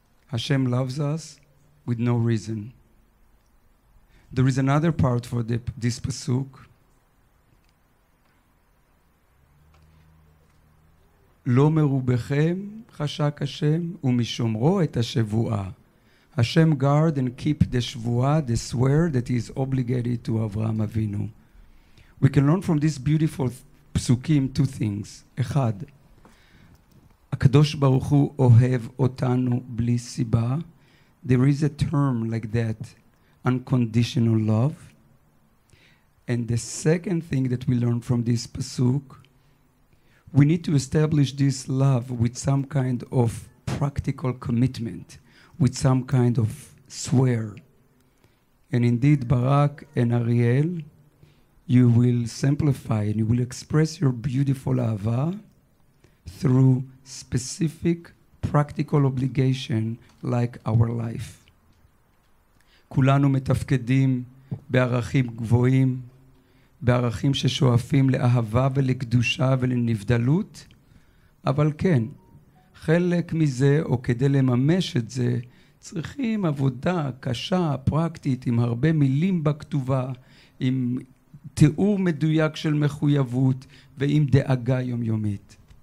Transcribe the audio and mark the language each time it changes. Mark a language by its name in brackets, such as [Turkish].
[English] Hashem loves us with no reason. There is another part for this pasuk. [Hebrew] לא מרובכם חשק השם ומשומרו את השבועה. [English] Hashem guard and keep the שבועה, the swear that is obligated to Avraham Avinu. We can learn from this beautiful פסוקים, two things. [Hebrew] אחד, הקדוש ברוך הוא אוהב אותנו בלי סיבה. [English] There is a term like that, unconditional love. And the second thing that we learn from this פסוק, we need to establish this love with some kind of practical commitment, with some kind of swear. And indeed, Barak and Ariel, you will simplify and you will express your beautiful ahava through specific practical obligation like our life. [Hebrew] כולנו מתפקדים בערכים גבוהים, בערכים ששואפים לאהבה ולקדושה ולנבדלות, אבל כן, חלק מזה או כדי לממש את זה, צריכים עבודה קשה, פרקטית, עם הרבה מילים בכתובה, עם תיאור מדויק של מחויבות ועם דאגה יומיומית.